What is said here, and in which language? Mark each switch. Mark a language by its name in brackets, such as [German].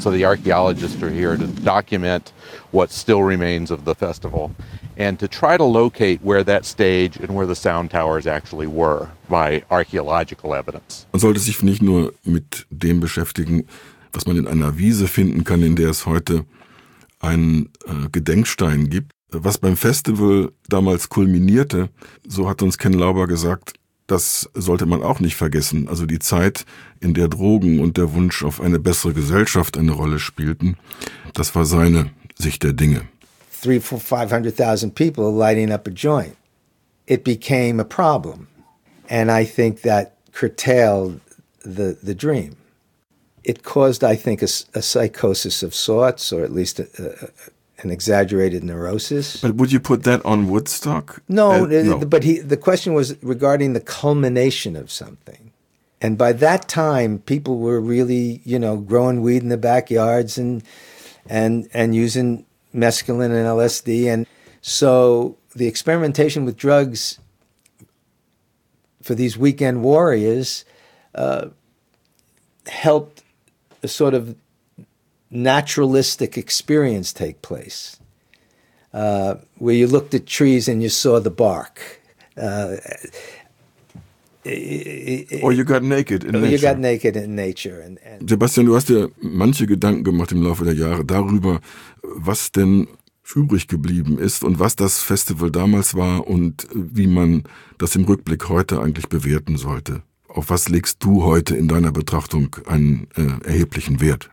[English] So the archaeologists are here to document what still remains of the festival and to try to locate where that stage and where the sound towers actually were by archaeological evidence. [German] Man sollte sich nicht nur mit dem beschäftigen, was man in einer Wiese finden kann, in der es heute einen Gedenkstein gibt. Was beim Festival damals kulminierte, so hat uns Ken Lauber gesagt, das sollte man auch nicht vergessen. Also die Zeit, in der Drogen und der Wunsch auf eine bessere Gesellschaft eine Rolle spielten, das war seine Sicht der Dinge. [English] 300,000 to 500,000 people lighting up a joint. It became a problem. And I think that curtailed the dream. It caused, I think, a psychosis of sorts, or at least an exaggerated neurosis. But would you put that on Woodstock? No, the question was regarding the culmination of something. And by that time, people were really, you know, growing weed in the backyards and using mescaline and LSD. And so the experimentation with drugs for these weekend warriors helped a sort of naturalistic experience take place, where you looked at trees and you saw the bark. Or you got naked in nature. [German] Sebastian, du hast dir manche Gedanken gemacht im Laufe der Jahre darüber, was denn übrig geblieben ist und was das Festival damals war und wie man das im Rückblick heute eigentlich bewerten sollte. Auf was legst du heute in deiner Betrachtung einen erheblichen Wert?